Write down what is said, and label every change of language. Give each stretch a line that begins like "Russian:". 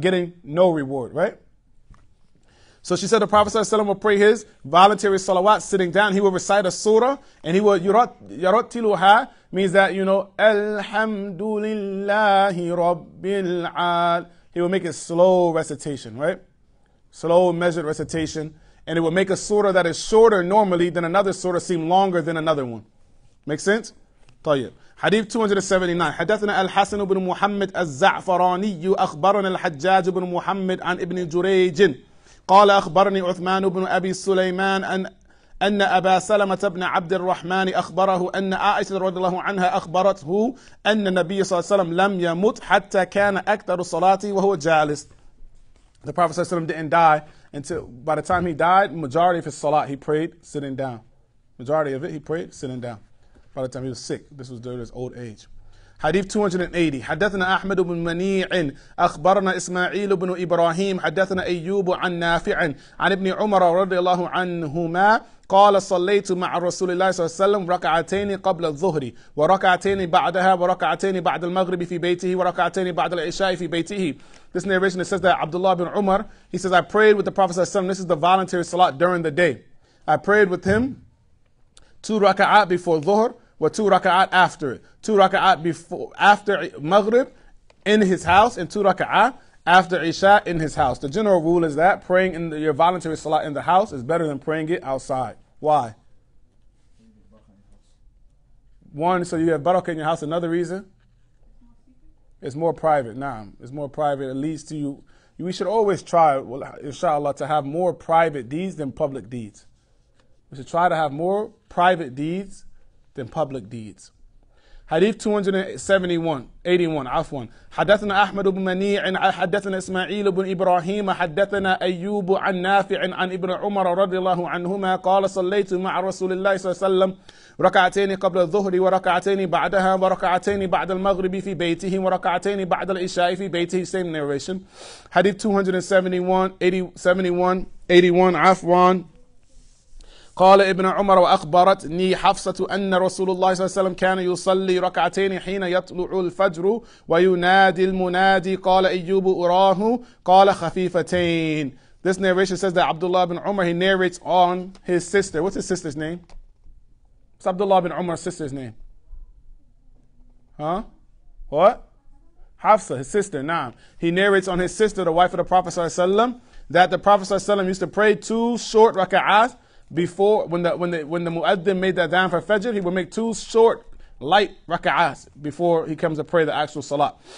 English: Getting no reward, right? So she said the Prophet ﷺ will pray his voluntary salawat sitting down. He will recite a surah and he will yarattiluha, means that, you know,
Arabic: Alhamdulillahi Rabbil Al.
English: He will make a slow recitation, right? Slow, measured recitation. And it will make a surah that is shorter normally than another surah seem longer than another one. Make sense? Tayyib. Hadith 279.
Arabic: حدثنا الحسن بن محمد الزعفراني أخبرنا الحجاج بن محمد عن ابن جريج قال أخبرني عثمان بن أبي سليمان أن أبا سلمة بن عبد الرحمن أخبره أن عائشة رضي الله عنها أخبرته أن النبي صلى الله عليه وسلم لم يمت حتى كان أكثر صلاته وهو جالس.
English: The Prophet صلى الله عليه وسلم didn't die until, by the time he died, majority of his salat he prayed sitting down. Majority of it he prayed sitting down. By the time he was sick, this was during his old age. Hadith 280.
Arabic: حدثنا أحمد بن منيع أخبرنا إسماعيل بن إبراهيم حدثنا أيوب عن نافع عن ابن عمر رضي الله عنهما قال صليت مع رسول الله صلى الله عليه وسلم ركعتين قبل الظهر وركعتين بعدها وركعتين بعد المغرب في بيته وركعتين بعد العشاء في بيته.
English: This narration, it says that Abdullah bin Umar, he says, I prayed with the Prophet صلى الله عليه وسلم. This is the voluntary salat during the day. I prayed with him two raka'at before dhuhr, or two raka'at after it. Two raka'at before, after maghrib in his house, and two raka'at after isha in his house. The general rule is that praying in your voluntary salat in the house is better than praying it outside. Why? One, so you have barakah in your house. Another reason? It's more private. It's more private. It leads to you. We should always try, well, inshallah, to have more private deeds than public deeds. We should try to have more private deeds than public deeds. Hadith 281.
Arabic: حدثنا أحمد بن منيع حدثنا إسماعيل بن إبراهيم حدثنا أيوب عن نافع عن ابن عمر رضي الله عنهما قال صليت مع رسول الله صلى الله عليه وسلم ركعتين قبل الظهر وركعتين بعدها وركعتين بعد المغرب في بيته وركعتين بعد العشاء في بيته.
English: Same narration. Hadith 271.
Arabic: قال ابن عمر وأخبرتني حفصة أن رسول الله صلى الله عليه وسلم كان يصلي ركعتين حين يطلع الفجر وينادي المنادي قال أيوب أراه قال خفيفتين.
English: This narration says that Abdullah bin Umar, he narrates on his sister. What's his sister's name? What's Abdullah bin Umar's sister's name? Huh? What? Hafsa, his sister, He narrates on his sister, the wife of the Prophet صلى الله عليه وسلم, that the Prophet صلى الله عليه وسلم used to pray two short raka'at before, when the muaddin made that dhan for fajr, he would make two short, light raka'ahs before he comes to pray the actual salat.